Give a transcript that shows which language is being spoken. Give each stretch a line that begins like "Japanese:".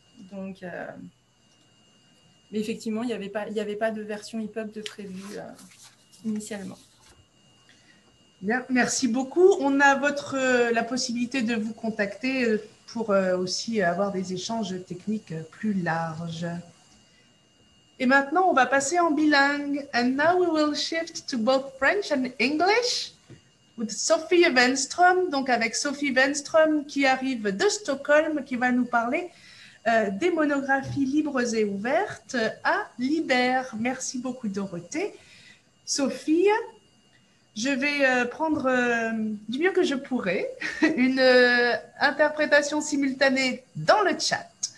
French: Donc, effectivement, il n'y avait pas de version EPUB de prévu initialement. Bien, merci beaucoup. On a la possibilité de vous contacter pour aussi avoir des échanges techniques plus larges. Et maintenant, on va passer en bilingue.
English: And now we will shift to both French and English with Sophie Wenström.
French: Donc, avec Sophie Wenström qui arrive de Stockholm, qui va nous parler des monographies libres et ouvertes à Libère. Merci beaucoup Dorothée. Sophie, je vais prendre du mieux que je pourrai une interprétation simultanée dans le chat.